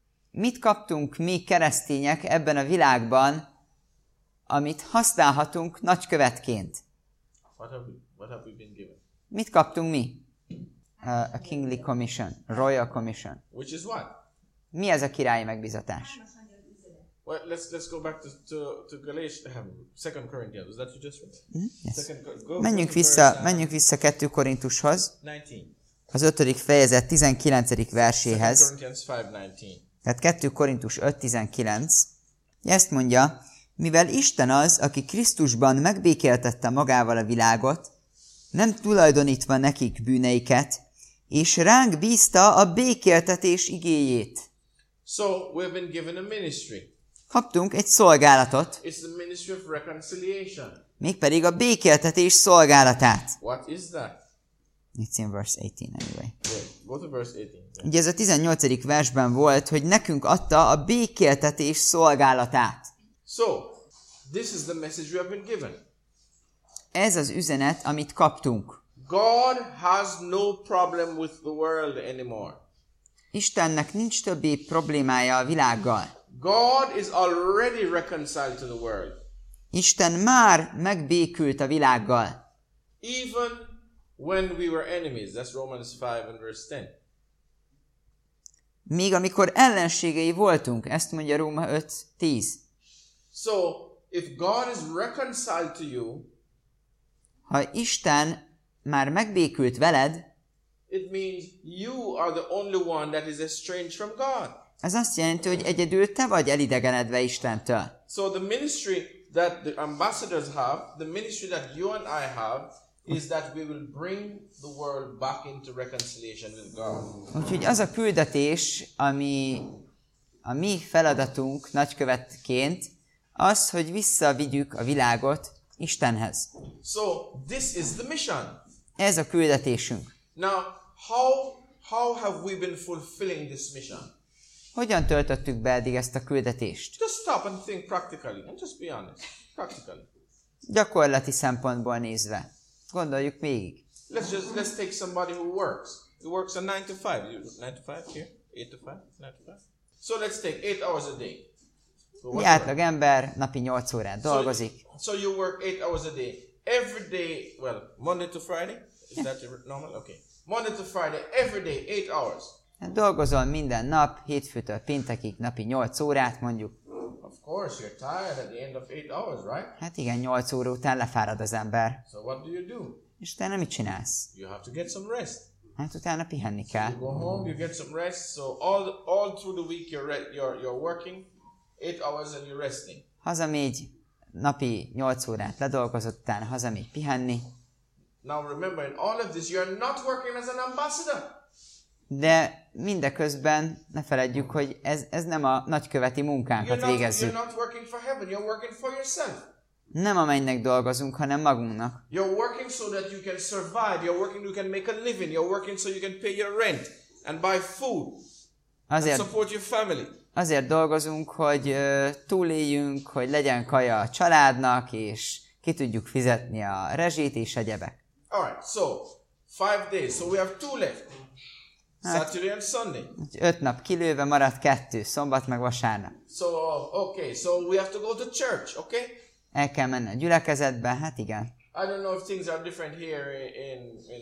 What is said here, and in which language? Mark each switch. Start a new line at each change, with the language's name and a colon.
Hungarian: Mit kaptunk mi keresztények ebben a világban, amit használhatunk nagykövetként?
English: What have we been given?
Hungarian: Mit kaptunk mi?
English: A kingly commission, royal commission. Which is what?
Hungarian: Mi ez a királyi megbízatás?
English: Well, let's go back to Galatians, 2 Corinthians. Was that you just read? Mm-hmm. Yes.
Hungarian: Menjünk vissza 2 Korintushoz. 19. Az 5. fejezet 19. verséhez.
English: 2 Corinthians 5:19.
Hungarian: Tehát 2 Korintus 5:19. Ezt mondja, mivel Isten az, aki Krisztusban megbékéltette magával a világot, nem tulajdonítva nekik bűneiket, és ránk bízta a békéltetés igéjét.
English: So we've been given a ministry.
Hungarian: Kaptunk egy szolgálatot.
English: It's the ministry of reconciliation.
Hungarian: Mégpedig a békéltetés szolgálatát.
English: What is that? It's in verse 18 anyway. Go to verse 18.
Hungarian: Ugye ez a 18. versben volt, hogy nekünk adta a békéltetés szolgálatát.
English: So, this is the message we have been given.
Hungarian: Ez az üzenet, amit kaptunk.
English: God has no problem with the world anymore.
Hungarian: Istennek nincs többi problémája a világgal.
English: God is already reconciled to the world.
Hungarian: Isten már megbékült a világgal.
English: Even when we were enemies, that's Romans 5 and verse 10.
Hungarian: Még amikor ellenségei voltunk, ezt mondja Róma 5:10.
English: So, if God is reconciled to you,
Hungarian: ha Isten már megbékült veled,
English: it means you are the only one that is estranged from God.
Hungarian: Ez azt jelenti, hogy egyedül te vagy elidegenedve Istentől.
English: So the ministry that the ambassadors have, the ministry that you and I have, is that we will bring the world back into reconciliation with God.
Hungarian: Úgyhogy az a küldetés, ami a mi feladatunk nagykövetként, az, hogy visszavigyük a világot Istenhez.
English: So this is the mission.
Hungarian: Ez a küldetésünk.
English: Now how have we been fulfilling this mission?
Hungarian: Hogyan töltöttük be eddig ezt a küldetést?
English: Just stop and think practically, and just be honest, practically.
Hungarian: Gyakorlati szempontból nézve, gondoljuk végig.
English: Let's take somebody who works. He works a 9-to-5. 9-to-5 here? 8-to-5? 9-to-5? So let's take 8 hours a day.
Hungarian: Mi átlag ember napi 8 órán dolgozik.
English: So you work 8 hours a day. Every day, well, Monday to Friday? Is that normal? Okay. Monday to Friday, every day, 8 hours.
Hungarian: Dolgozol minden nap, hétfőtől péntekig, napi 8 órát mondjuk.
English: Of course, you're tired at the end of 8 hours, right?
Hungarian: Hát igen, 8 óra után lefárad az ember.
English: So what do you do?
Hungarian: És utána mit csinálsz?
English: You have to get some rest.
Hungarian: Hát utána pihenni kell.
English: So you go home, you get some rest, so all through the week you're working, 8 hours and you're resting.
Hungarian: Hazamégy, napi 8 órát ledolgozott, utána hazamégy pihenni.
English: Now remember, in all of this you're not working as an ambassador.
Hungarian: De mindeközben ne feledjük, hogy ez nem a nagyköveti munkánkat végezzük.
English: You're not working for heaven, you're working for yourself.
Hungarian: Nem a mennynek dolgozunk, hanem magunknak.
English: You're working so that you can survive, you're working so you can make a living, you're working so you can pay your rent and buy food
Hungarian: azért,
English: and support your family.
Hungarian: Azért dolgozunk, hogy túléljünk, hogy legyen kaja a családnak, és ki tudjuk fizetni a rezsét és egyebek.
English: Alright, so 5 days, so we have 2 left. Saturday and Sunday.
Hungarian: 5 nap kilőve maradt 2, szombat meg vasárnap.
English: So, okay, so we have to go to church, okay?
Hungarian: El kell menni a gyülekezetbe, hát igen.
English: I don't know if things are different here in...